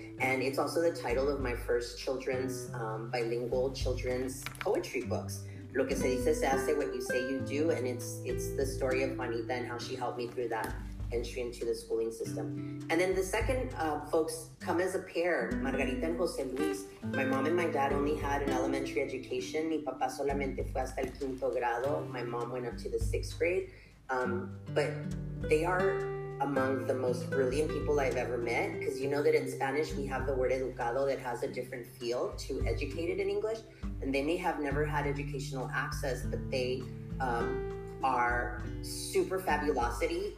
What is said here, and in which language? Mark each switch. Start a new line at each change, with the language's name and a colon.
English: And it's also the title of my first children's, bilingual children's poetry books.
Spanish: Lo que se dice, se hace,
English: what you say, you do. And it's the story of Juanita and how she helped me through that entry into the schooling system. And then the second folks come as a pair, Margarita and Jose Luis. My mom and my dad only had an elementary education.
Spanish: Mi papá solamente fue hasta el quinto grado.
English: My mom went up to the sixth grade. But they are among the most brilliant people I've ever met, because you know that in Spanish we have the word educado that has a different feel to educated in English, and they may have never had educational access, but they are super fabulosity.